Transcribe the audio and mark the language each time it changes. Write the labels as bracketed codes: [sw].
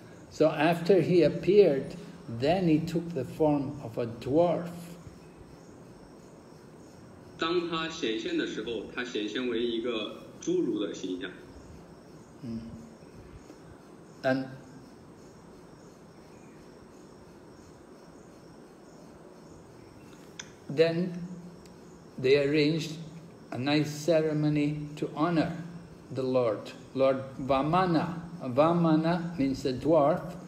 [en] so after he appeared, then he took the form of a dwarf. [zh] 当他显现的时候, 他显现为一个侏儒的形象。 [en] And then they arranged a nice ceremony to honor the Lord. Lord Vamana. Vamana means a dwarf.